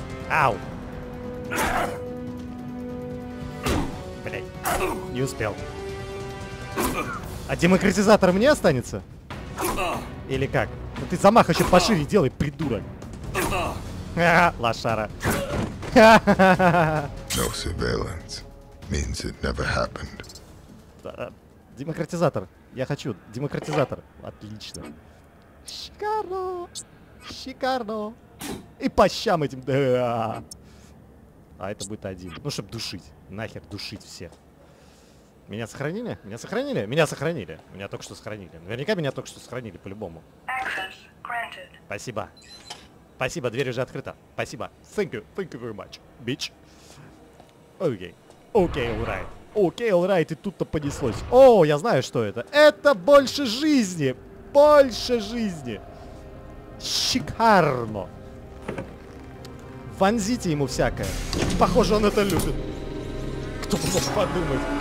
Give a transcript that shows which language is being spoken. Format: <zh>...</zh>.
<ru>Ау. Блять, не успел. А демократизатор мне останется? Или как? Ну ты замах еще пошире делай, придурок. Лошара.</ru> <en>No surveillance means it never happened.</en> <ru>Демократизатор. Я хочу демократизатор. Отлично. Шикарно. Шикарно. И по щам этим. Да. А это будет один. Ну, чтобы душить. Нахер душить всех. Меня сохранили? Меня сохранили? Меня сохранили. Меня только что сохранили. Наверняка меня только что сохранили, по-любому.</ru> <en>Access granted.</en> <ru>Спасибо. Спасибо, дверь уже открыта. Спасибо.</ru> <en>Thank you very much, bitch.</en> <ru>Окей. Окей, alright. Окей, alright, и тут-то понеслось. О, я знаю, что это. Это больше жизни. Больше жизни. Шикарно. Вонзите ему всякое. Похоже, он это любит. Кто мог подумать.</ru>